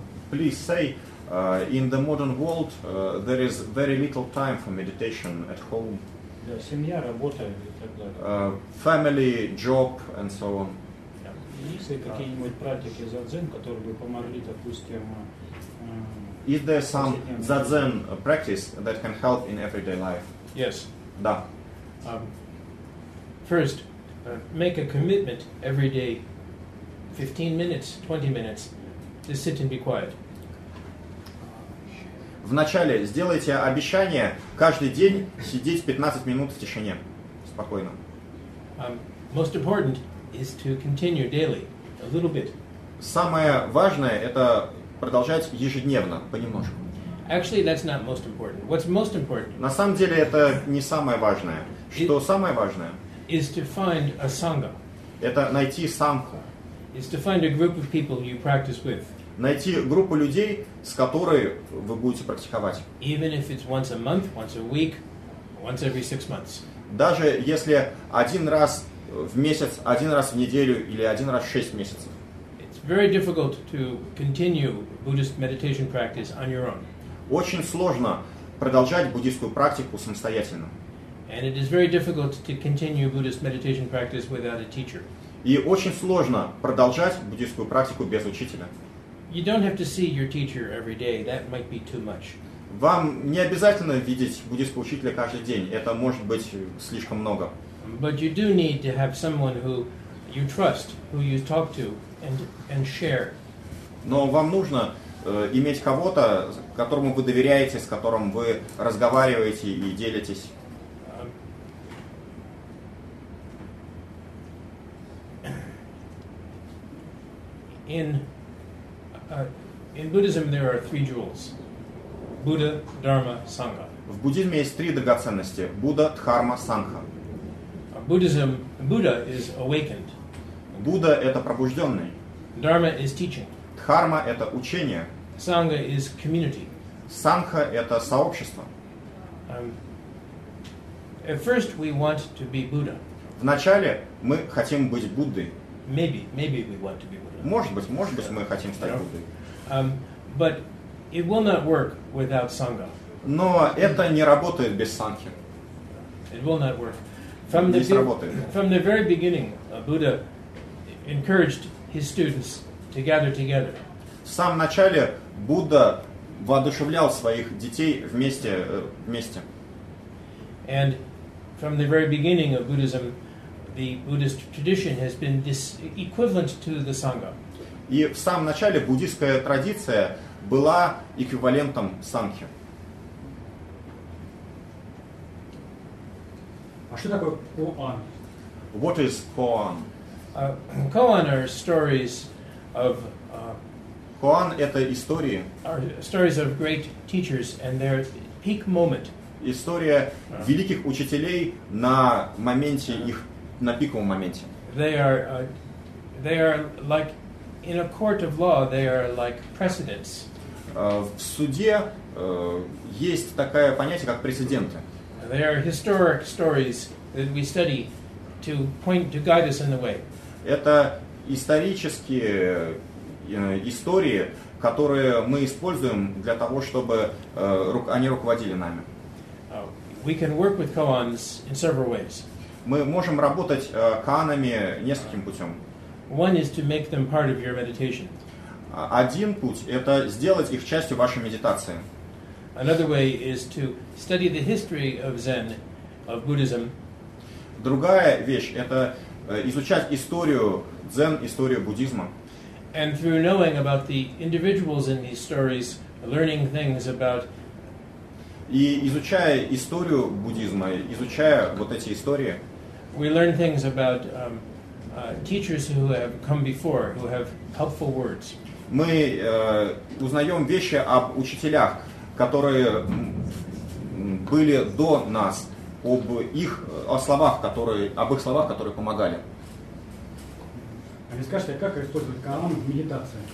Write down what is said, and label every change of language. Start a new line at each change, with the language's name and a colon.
English: Please say, in the modern world, there is very little time for meditation at home.
Russian: Да, семья, работа и так далее.
English: Family, job, and so on.
Russian: Есть ли какие-нибудь практики задзен, которые бы помогли, допустим,
English: Is there some задзен practice that can help in everyday life? Yes.
Russian: Да.
English: First, make a commitment every day, 15 minutes, 20 minutes, to sit and be quiet.
Russian: Вначале сделайте обещание каждый день сидеть 15 минут в тишине, спокойно.
English: Most important is to continue daily, a little bit.
Russian: Самое важное – это продолжать ежедневно, понемножку.
English: Actually, that's not most important. What's most important?
Russian: На самом деле, это не самое важное. Что самое важное?
English: Is to find a sangha.
Russian: Это найти сангху.
English: Is to find a group of people you practice with.
Russian: Найти группу людей, с которой вы будете практиковать.
English: Even if it's once a month, once a week, once every six months.
Russian: Даже если один раз в месяц, один раз в неделю или один раз в шесть месяцев.
English: It's very difficult to continue Buddhist meditation practice on your own.
Russian: Очень сложно продолжать буддийскую практику самостоятельно.
English: And it is very difficult to continue Buddhist meditation practice without a teacher.
Russian: И очень сложно продолжать буддийскую практику без учителя.
English: You don't have to see your teacher every day. That might be too much.
Russian: Вам не обязательно видеть буддийского учителя каждый день. Это может быть слишком много.
English: But you do need to have someone who you trust, who you talk to and share.
Russian: Но вам нужно иметь кого-то, которому вы доверяете, с которым вы разговариваете и делитесь.
English: In Buddhism there are three jewels: Buddha, Dharma, Sangha.
Russian: В буддизме есть три драгоценности: Будда, Дхарма, Сангха.
English: Buddhism, Buddha is awakened.
Russian: Будда это пробужденный.
English: Dharma is teaching.
Russian: Дхарма – это учение.
English: Sangha is community.
Russian: Сангха – это сообщество.
English: At first we want to be Buddha.
Russian: Вначале мы хотим быть Буддой.
English: Maybe we want to be Buddha.
Russian: Может быть, мы хотим стать Буддой.
English: But it will not work without Sangha.
Russian: Но это не работает без Сангхи.
English: It will not work.
Russian: Не сработает.
English: From the very beginning, Buddha encouraged his students to gather together.
Russian: В самом начале Будда воодушевлял своих детей вместе.
English: And from the very beginning of Buddhism, the Buddhist tradition has been equivalent to the Sangha.
Russian: И в самом начале буддийская традиция была эквивалентом Сангхи. А что такое koan?
English: What is koan? Koan are stories of.
Russian: Koan это истории.
English: Are stories of great teachers and their peak moment.
Russian: История великих учителей на моменте их на пиковом моменте.
English: They are like in a court of law. They are like precedents.
Russian: В суде есть такое понятие как прецеденты.
English: They are historic stories that we study to point to guide us in the way.
Russian: Это исторические истории, которые мы используем для того, чтобы они руководили нами.
English: We can work with koans in several ways.
Russian: Мы можем работать коанами нескольким путем.
English: One is to make them part of your meditation.
Russian: Один путь — это сделать их частью вашей медитации.
English: Another way is to study the history of Zen, of Buddhism.
Russian: Другая вещь — это изучать историю Дзен, историю буддизма.
English: And through knowing about the individuals in these stories, learning things about.
Russian: И изучая историю буддизма, изучая вот эти истории.
English: We learn things about teachers who have come before, who have helpful words.
Russian: Мы узнаем вещи об учителях, которые были до нас, об их словах, которые помогали. Расскажите, как использовать коан в медитации?